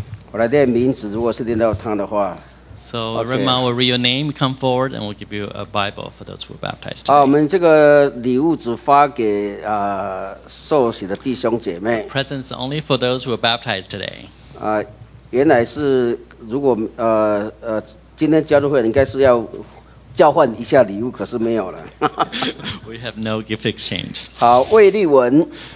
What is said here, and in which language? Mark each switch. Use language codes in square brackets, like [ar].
[zh] 我来念名字，如果是念到他的话。 [en] So, Rema will read your name, come forward, and we'll give you a Bible for those who are baptized. [zh] 我们这个礼物只发给受洗的弟兄姐妹。 [en] Presents only for those who are baptized today. [zh] 原来是如果今天加入会，应该是要交换一下礼物，可是没有了。 [en] We have no gift exchange. [zh] 好，魏立文。